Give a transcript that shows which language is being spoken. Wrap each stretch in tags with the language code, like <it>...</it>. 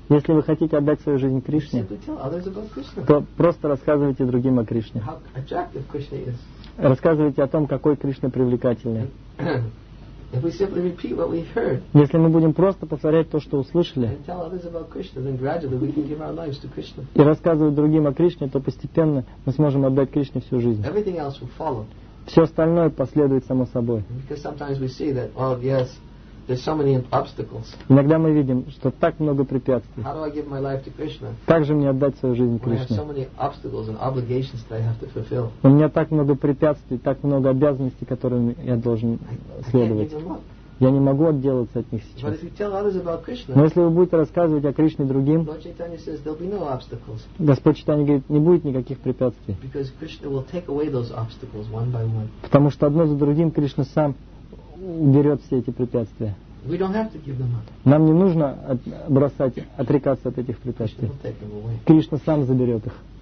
<ru>Если вы хотите отдать свою жизнь Кришне,</ru> <en>you simply tell others about Krishna.</en> <ru>То просто рассказывайте другим о Кришне.</ru> <en>How attractive Krishna is.</en> <ru>Рассказывайте о том, какой Кришна привлекательный.</ru> <en>If we simply repeat what we've heard,</en> <ru>если мы будем просто повторять то, что услышали,</ru> <en>and tell others about Krishna, then gradually we can give our lives to Krishna.</en> <ru>И рассказывать другим о Кришне, то постепенно мы сможем отдать Кришне всю жизнь.</ru> <en>Everything else will follow.</en> <ru>Все остальное последует само собой.</ru> <en>Because sometimes we see that, well, yes, there's so many obstacles.</en> <ru>Иногда мы видим, что так много препятствий.</ru> <en>How do I give my life to Krishna?</en> <ru>Как же мне отдать свою жизнь Кришне?</ru> <en>I have so many obstacles and obligations that I have to fulfill.</en> <ru>У меня так много препятствий, так много обязанностей, которым я должен следовать.</ru> <en>I can't give them up.</en> <ru>Я не могу отделаться от них сейчас.</ru> <en>But if you tell others about Krishna,</en> <ru>но если вы будете рассказывать о Кришне другим,</ru> <en>Lord Chaitanya says, there'll be no obstacles.</en> <ru>Господь Чайтанья говорит, не будет никаких препятствий.</ru> <en>Because Krishna will take away those obstacles one by one.</en> <ru>Потому что одно за другим Кришна сам уберет все эти препятствия.</ru> <en>We don't have to give them up.</en> <ru>Нам не нужно отрекаться от этих препятствий.</ru> <en>Krishna will take them away.</en> <ru>Кришна сам заберет их.</ru>